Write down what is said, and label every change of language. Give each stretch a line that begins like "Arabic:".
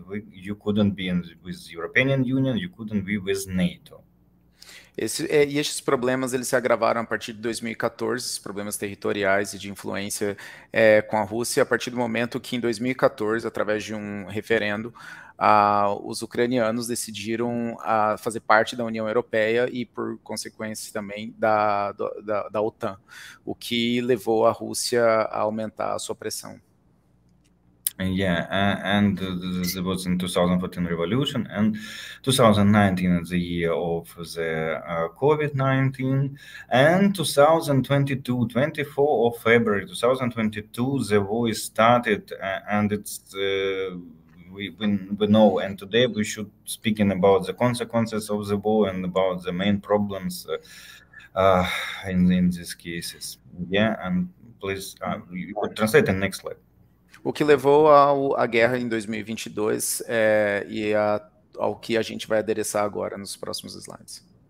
English: You couldn't be with European Union, you couldn't be with NATO.
Portuguese: Esses problemas eles se agravaram a partir de 2014, os problemas territoriais e de influência com a Rússia, a partir do momento que em 2014, através de um referendo, os ucranianos decidiram fazer parte da União Europeia e, por consequência, também da OTAN, o que levou a Rússia a aumentar a sua pressão.
English: It was in 2014 revolution and 2019 the year of the COVID-19 and 24 of February 2022 the war started and it's we know, and today we should speak in about the consequences of the war and about the main problems in these cases. Yeah, and please, you could translate the next slide.
Portuguese: O que levou à guerra em 2022 e ao que a gente vai adereçar agora nos próximos slides.